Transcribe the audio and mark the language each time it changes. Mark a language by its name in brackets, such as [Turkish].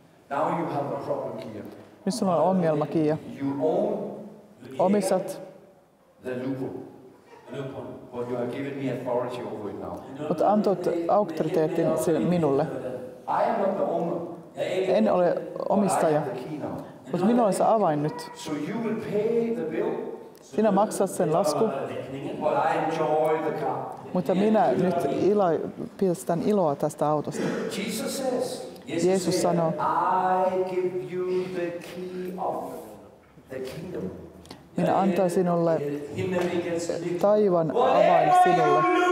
[English] Now you have a problem, Kia. [Finnish] Missä on ongelma, Kia? [English] You own [Finnish] omistat [English] the Lupo. But you have given me authority over it now. [Finnish] Mutta antoit auktoriteetin minulle. [English] I am not the owner. [Finnish] En ole omistaja. Mutta minulla on se avain nyt. [English] So you will pay the bill. [Finnish] Sinä maksat sen lasku. [English] But I enjoy the car. [Finnish] Mutta minä nyt pidän iloa tästä autosta. [English] Jesus says. [Finnish] Jeesus sanoo. [English] I give you the key of the kingdom. [Finnish] Minä antaa sinulle taivan avain sinulle.